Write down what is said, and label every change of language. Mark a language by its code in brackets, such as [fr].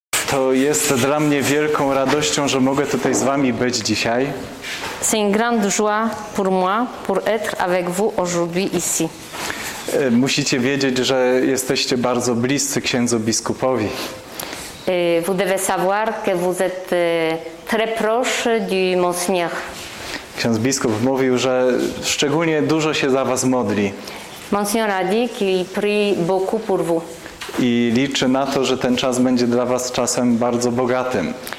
[pl] To jest dla mnie wielką radością, że mogę tutaj z wami być dzisiaj. [fr] C'est une grande joie pour moi pour être avec vous aujourd'hui ici. [pl] Musicie wiedzieć, że jesteście bardzo bliscy księdzu biskupowi. [fr] Vous devez savoir que vous êtes très proche du monseigneur. [pl] Ksiądz biskup mówił, że szczególnie dużo się za was modli. [fr] Monseigneur a dit qu'il prie beaucoup pour vous. [pl] I liczy na to, że ten czas będzie dla was czasem bardzo bogatym.